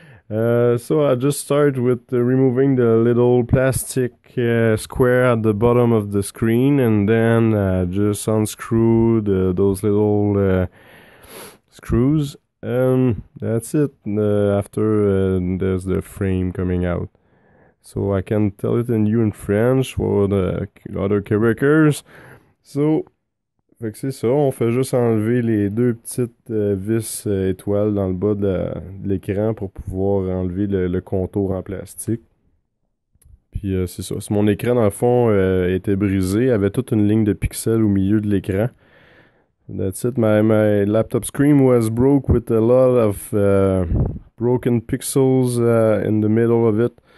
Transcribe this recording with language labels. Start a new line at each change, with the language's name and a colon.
English: So I just start with removing the little plastic square at the bottom of the screen and then just unscrew those little screws, that's it. After there's the frame coming out, so I can tell it in you in French for the other Quebecers.
French: So, fait que c'est ça, on fait juste enlever les deux petites vis étoiles dans le bas de l'écran pour pouvoir enlever le contour en plastique. Puis c'est ça. Mon écran dans le fond était brisé, avait toute une ligne de pixels au milieu de l'écran.
English: That's it. My laptop screen was broke with a lot of broken pixels in the middle of it.